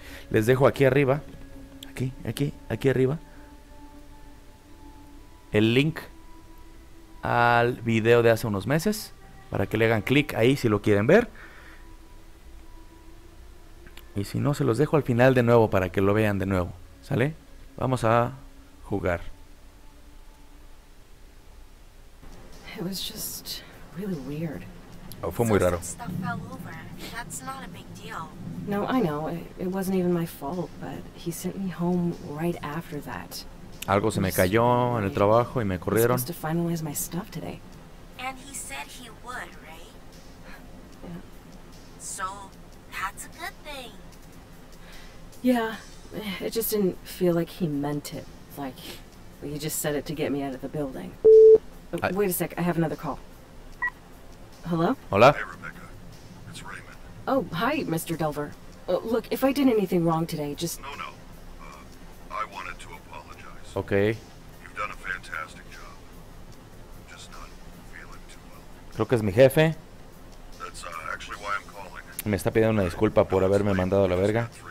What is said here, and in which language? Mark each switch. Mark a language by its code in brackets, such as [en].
[es] Les dejo aquí arriba, aquí arriba, el link al video de hace unos meses, para que le hagan clic ahí si lo quieren ver. Y si no, se los dejo al final de nuevo para que lo vean de nuevo, ¿sale? Vamos a jugar. [en] It was just really weird. [es] Oh, fue muy raro. [en] Stuff fell over. That's not a big deal. No, I know. It wasn't even my fault, but he sent me home right after that. [es] Algo se me cayó en el trabajo y me corrieron. [en] He's supposed to finalize my stuff today. And he said he would, right? Yeah. So, that's a good thing. Yeah, it just didn't feel like he meant it. Like, he just said it to get me out of the building. Wait a sec, I have another call. Hello? [es] Hola. [en] Hey, Rebecca. It's Raymond. Oh, hi, Mr. Delver. Look, if I did anything wrong today, just... No, no. I wanted to apologize. Okay. You've done a fantastic job. Just not feeling too well. [es] Creo que es mi jefe. [en] That's actually why I'm calling. [es] Me está pidiendo una disculpa por haberme mandado a la verga.